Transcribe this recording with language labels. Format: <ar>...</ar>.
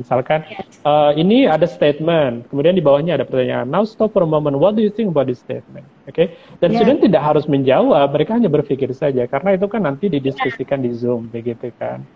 <id>Misalkan ini ada statement, kemudian di bawahnya ada pertanyaan.</id> <en>Now stop for a moment, what do you think about this statement?</en> <id>Okay, dan student tidak harus menjawab, mereka hanya berpikir saja, karena itu kan nanti didiskusikan di Zoom begitu kan.</id>